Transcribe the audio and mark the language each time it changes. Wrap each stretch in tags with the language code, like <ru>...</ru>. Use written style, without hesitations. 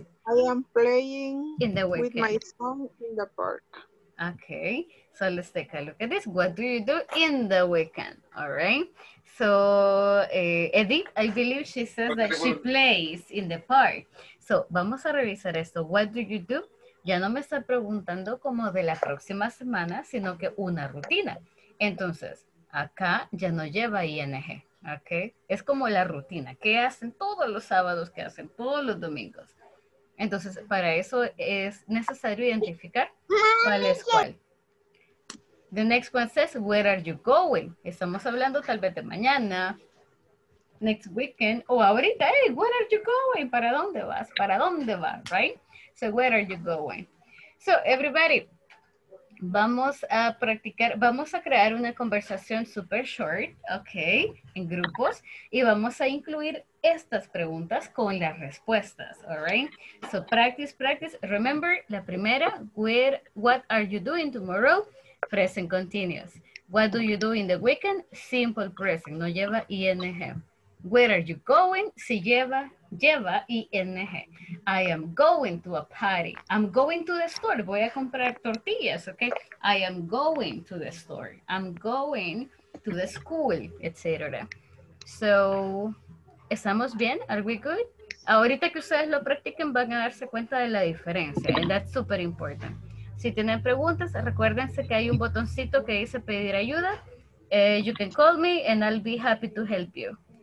<en>I am playing in the weekend. With my son in the park. Okay, so let's take a look at this. What do you do in the weekend? All right. So, Edith, I believe she says that she plays in the park. So,</en> <es>vamos a revisar esto.</es> <en>What do you do?</en> <es>Ya no me está preguntando como de la próxima semana, sino que una rutina. Entonces, acá ya no lleva ING, ¿ok? Es como la rutina. ¿Qué hacen todos los sábados? ¿Qué hacen todos los domingos? Entonces, para eso es necesario identificar cuál es cuál.</es> <en>The next one says, where are you going?</en> <es>Estamos hablando tal vez de mañana,</es> <en>next weekend,</en> <es>o ahorita,</es> <en>hey, where are you going?</en> <es>¿Para dónde vas? ¿Para dónde vas?</es> <en>Right? So where are you going? So everybody,</en> <es>vamos a practicar, vamos a crear una conversación</es> <en>super short, okay,</en> <es>en grupos, y vamos a incluir estas preguntas con las respuestas,</es> <en>all right? So practice, practice. Remember,</en> <es>la primera,</es> <en>where, what are you doing tomorrow? Present continuous. What do you do in the weekend? Simple present,</en> <es>no lleva ing.</es> <en>Where are you going?</en> <es>Si lleva, lleva ing.</es> <en>I am going to a party. I'm going to the store.</en> <es>Voy a comprar tortillas,</es> <en>okay? I am going to the store. I'm going to the school, etc. So,</en> <es>¿estamos bien?</es> <en>Are we good?</en> <es>Ahorita que ustedes lo practiquen, van a darse cuenta de la diferencia.</es> <en>And that's super important.</en> <es>Si tienen preguntas, recuérdense que hay un botoncito que dice pedir ayuda.</es> <en>You can call me and I'll be happy to help you.</en>